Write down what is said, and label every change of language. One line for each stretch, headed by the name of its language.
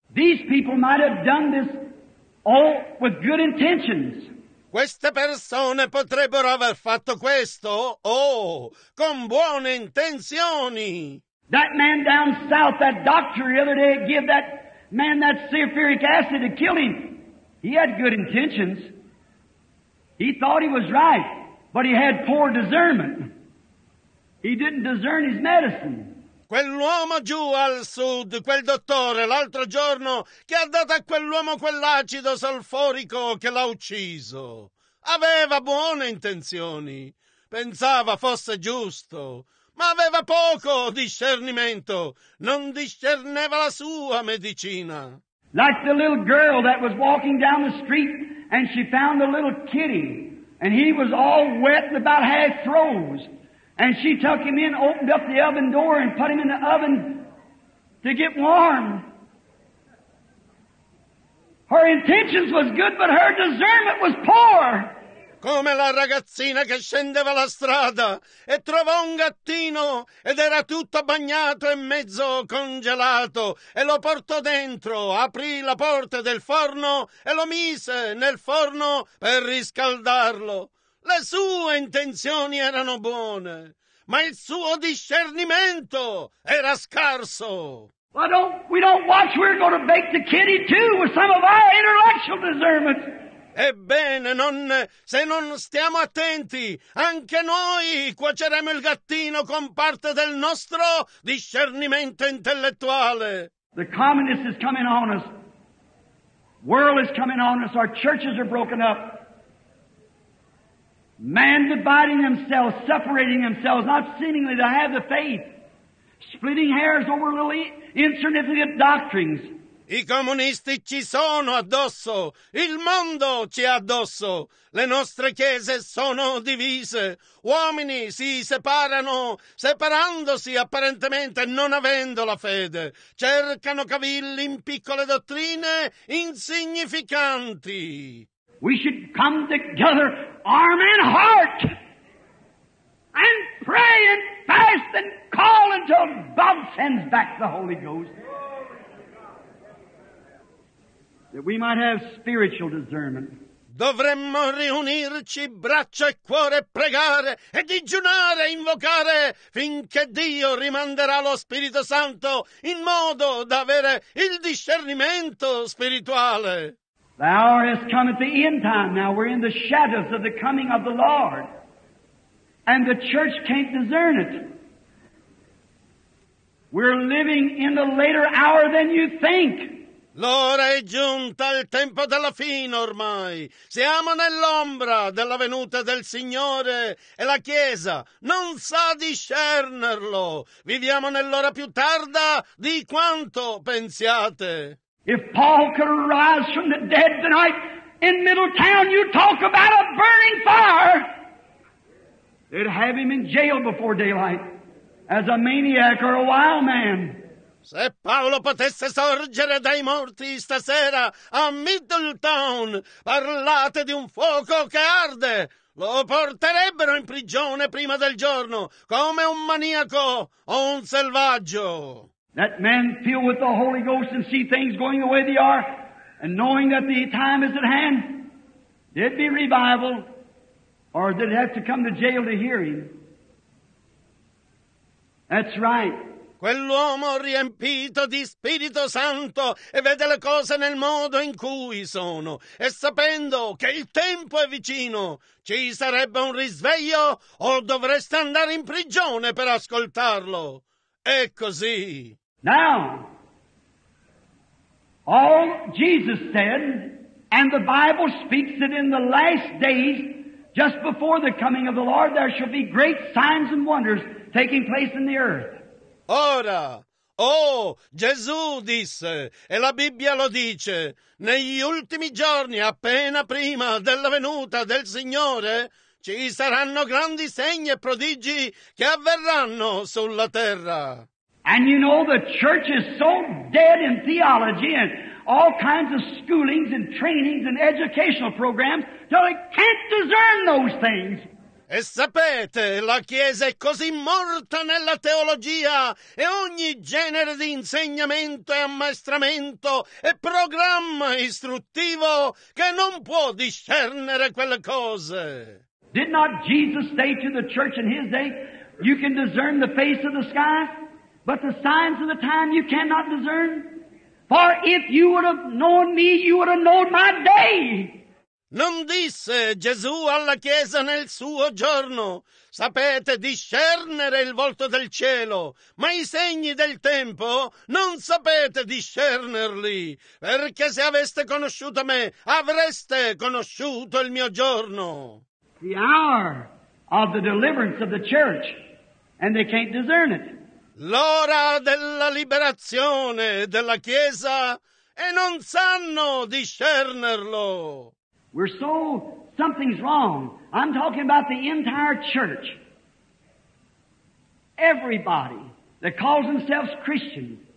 English: These people might have done this all with good intentions.
Italian: Queste persone potrebbero aver fatto questo, oh, con buone intenzioni.
English: That man down south, that doctor the other day, gave that man that sulfuric acid to kill him. He had good intentions. He thought he was right, but he had poor discernment. He didn't discern his medicine.
Italian: Quell'uomo giù al sud, quel dottore, l'altro giorno, che ha dato a quell'uomo quell'acido solforico che l'ha ucciso. Aveva buone intenzioni, pensava fosse giusto, ma aveva poco discernimento, non discerneva la sua medicina.
English: Like the little girl that was walking down the street and she found a little kitty and he was all wet and about half froze. And she took him in, opened up the oven door, and put him in the oven to get warm. Her intentions was good, but her discernment was poor.
Italian: come la ragazzina che scendeva la strada e trovò un gattino ed era tutto bagnato e mezzo congelato e lo portò dentro, aprì la porta del forno e lo mise nel forno per riscaldarlo. Le sue intenzioni erano buone, ma il suo discernimento era scarso.
English: Well, we don't watch, we're going to bake the kitty too with some of our intellectual discernments.
Italian: Ebbene, se non stiamo attenti, anche noi cuoceremo il gattino con parte del nostro discernimento intellettuale.
English: The communist is coming on us. World is coming on us. Our churches are broken up. Man dividing themselves, separating themselves, not seemingly to have the faith. Splitting hairs over little insignificant doctrines.
Italian: I comunisti ci sono addosso, il mondo ci è addosso, le nostre chiese sono divise, uomini si separano, separandosi apparentemente non avendo la fede, cercano cavilli in piccole dottrine insignificanti.
English: We should come together, arm and heart, and pray and fast and call until God sends back the Holy Ghost. That we might have spiritual discernment.
Italian: Dovremmo riunirci braccio e cuore, pregare e digiunare, invocare finché Dio rimanderà lo Spirito Santo in modo da avere il discernimento spirituale.
English: The hour has come at the end time. Now we're in the shadows of the coming of the Lord, and the church can't discern it. We're living in the later hour than you think.
Italian: L'ora è giunta, il tempo della fine ormai. Siamo nell'ombra della venuta del Signore e la Chiesa non sa discernerlo. Viviamo nell'ora più tarda di quanto pensiate.
English: If Paul could arise from the dead tonight in Middletown, you talk about a burning fire. They'd have him in jail before daylight as a maniac or a wild man.
Italian: Se Paolo potesse sorgere dai morti stasera a Middletown, parlate di un fuoco che arde. Lo porterebbero in prigione prima del giorno, come un maniaco o un selvaggio.
English: That man filled with the Holy Ghost and see things going the way they are, and knowing that the time is at hand, did be revival, or did it have to come to jail to hear him? That's right.
Italian: Quell'uomo riempito di Spirito Santo e vede le cose nel modo in cui sono, e sapendo che il tempo è vicino, ci sarebbe un risveglio o dovreste andare in prigione per ascoltarlo. È così.
English: Now, all Jesus said, and the Bible speaks that in the last days, just before the coming of the Lord, there shall be great signs and wonders taking place in the earth.
Italian: Ora, oh, Gesù disse, e la Bibbia lo dice, negli ultimi giorni, appena prima della venuta del Signore, ci saranno grandi segni e prodigi che avverranno sulla terra.
English: And you know the church is so dead in theology and all kinds of schoolings and trainings and educational programs that it can't discern those things.
Italian: E sapete, la Chiesa è così morta nella teologia e ogni genere di insegnamento e ammaestramento e programma istruttivo che non può discernere quelle cose.
English: Did not Jesus say to the church in his day, you can discern the face of the sky, but the signs of the time you cannot discern? For if you would have known me, you would have known my day.
Italian: Non disse Gesù alla Chiesa nel suo giorno, sapete discernere il volto del cielo, ma i segni del tempo non sapete discernerli, perché se aveste conosciuto me, avreste conosciuto il mio giorno.
English: The hour of the deliverance of the church, and they can't discern it.
Italian: L'ora della liberazione della Chiesa, e non sanno discernerlo.
English: We're so, something's wrong. I'm talking about the entire church. Everybody that calls themselves Christian.